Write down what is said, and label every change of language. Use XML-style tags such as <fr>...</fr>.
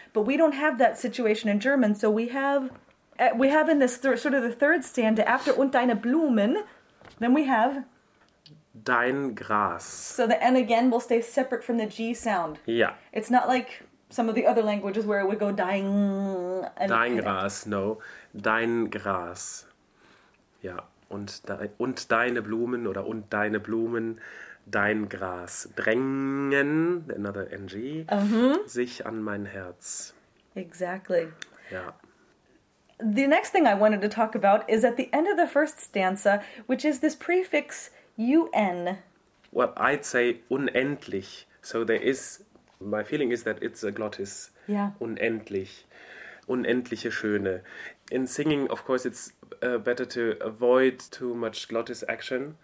<en>But we don't have that situation in German, so we have in this sort of the third stanza, after</en> <de>und deine Blumen,</de> <en>then we have...</en> <de>Dein Gras.</de> <en>So the N again will stay separate from the G sound. Yeah. It's not like... some of the other languages where it would go dying. And</en> <de>dein Gras,</de> <en>no.</en> <de>Dein Gras. Ja, und deine Blumen oder und deine Blumen, dein Gras drängen,</de> <en>another NG,</en> <de>sich an mein Herz.</de> <en>Exactly.</en> <de>Ja.</de> <en>The next thing I wanted to talk about is at the end of the first stanza, which is this prefix UN. Well, I'd say unendlich. So there is, my feeling is that it's a glottis. Yeah.</en> <de>Unendlich. Unendliche Schöne.</de> <en>In singing, of course, it's better to avoid too much glottis action.</en>